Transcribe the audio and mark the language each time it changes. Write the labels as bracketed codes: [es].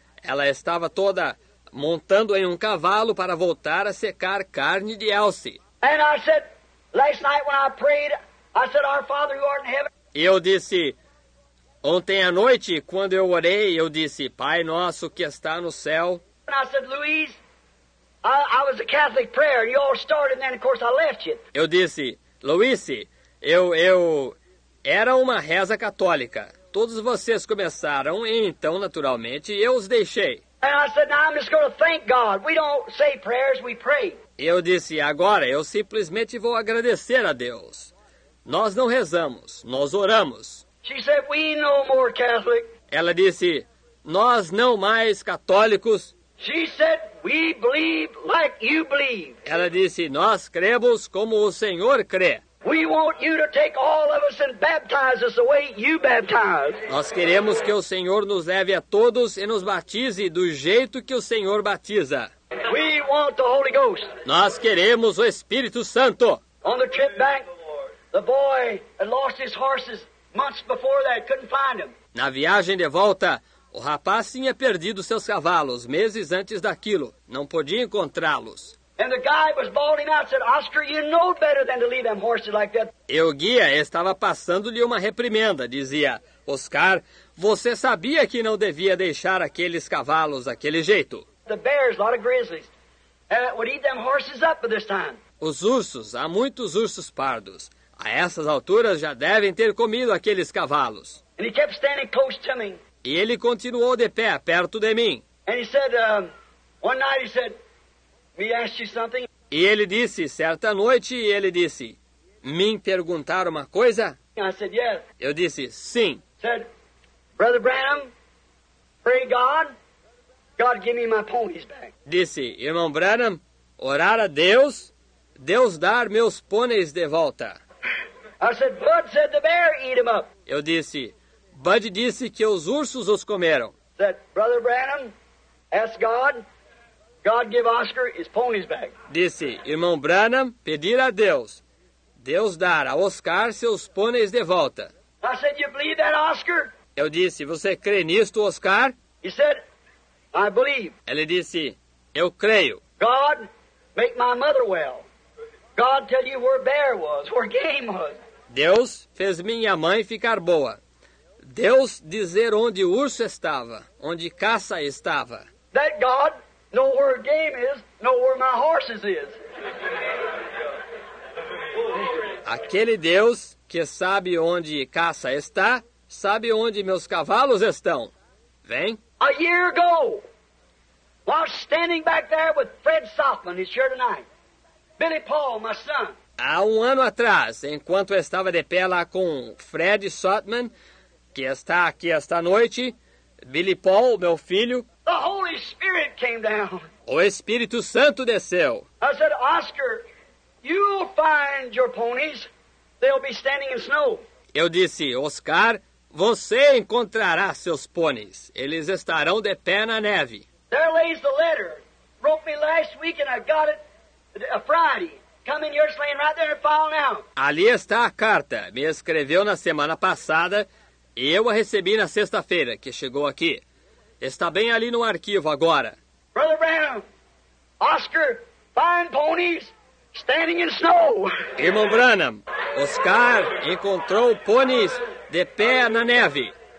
[pt] Ela estava toda montando em um cavalo para voltar a secar carne de Elsie. [en] And I said, last night when I prayed, I said, our Father who art in heaven. [pt] E eu disse, ontem à noite, quando eu orei, eu disse, Pai nosso que está no céu. [en] And I said, Louise, I was a Catholic prayer. You all started, and then, of course, I left you. [pt] Eu disse, Louise, eu era uma reza católica. Todos vocês começaram, e então, naturalmente, eu os deixei. [en] And I said, now I'm just going to thank God. We don't say prayers, we pray. [pt] Eu disse, agora eu simplesmente vou agradecer a Deus. Nós não rezamos, nós oramos. [en] She said, we no more Catholic. [pt] Ela disse, nós não mais católicos. [en] She said, we believe like you believe. [pt] Ela disse, nós cremos como o Senhor crê. [en] We want you to take all of us and baptize us the way you baptize. [pt] Nós queremos que o Senhor nos leve a todos e nos batize do jeito que o Senhor batiza. [en] We want the Holy Ghost. [pt] Nós queremos o Espírito Santo. [en] On the trip back, the boy had lost his horses months before that, couldn't find them. [pt] Na viagem de volta, o rapaz tinha perdido seus cavalos meses antes daquilo. Não podia encontrá-los. [en] And the guy was bawling out, said, Oscar, you know better than to leave them horses like that. [pt] E o guia estava passando-lhe uma reprimenda. Dizia, Oscar, você sabia que não devia deixar aqueles cavalos daquele jeito. [en] The bears, a lot of grizzlies, would eat them horses up by this time. [pt] Os ursos, há muitos ursos pardos. A essas alturas já devem ter comido aqueles cavalos. [en] And he kept standing close to me. [pt] E ele continuou de pé, perto de mim. [en] And he said, one night he said, me asked you something. [pt] E ele disse, certa noite, ele disse, me perguntaram uma coisa? [en] I said, yes. [pt] Eu disse, sim. [en] He said, Brother Branham, pray God, God give me my ponies back. [pt] Disse, irmão Branham, orar a Deus, Deus dar meus pôneis de volta. [en] I said, Bud said the bear eat them up. [pt] Eu disse, Bud disse que os ursos os comeram. [en] Said, Brother Branham, ask God, God give Oscar his ponies back. [pt] Disse, irmão Branham, pedir a Deus, Deus dar a Oscar seus pôneis de volta. [en] I said, you believe that, Oscar? [pt] Eu disse, você crê nisto, Oscar? [en] He said, I believe. [pt] Ele disse, eu creio. [en] God, make my mother well. God tell you where bear was, where game was. [pt] Deus fez minha mãe ficar boa. Deus dizer onde o urso estava, onde caça estava. That God know where game is, know where my horses is. Aquele Deus que sabe onde caça está, sabe onde meus cavalos estão. Vem. [en] A year ago, while standing back there with Fred Softman, he's here tonight. Billy Paul, my son. [pt] Há um ano atrás, enquanto eu estava de pé lá com Fred Softman, que está aqui esta noite, Billy Paul, meu filho. [en] The Holy Spirit came down. [pt] O Espírito Santo desceu. [en] I said, Oscar, you'll find your ponies. They'll be standing in snow. [pt] Eu disse, Oscar, Você encontrará seus pôneis. Eles estarão de pé na neve. [en] There lays the letter. Wrote me last week and I got it a Friday. Coming yours laying right there in file now. [pt] Ali está a carta. Me escreveu na semana passada e eu a recebi na sexta-feira, que chegou aqui. Está bem ali no arquivo agora. [en] Brother Brown, Oscar, fine ponies standing in snow. [pt] Irmão Branham, Oscar encontrou pôneis de pé na neve.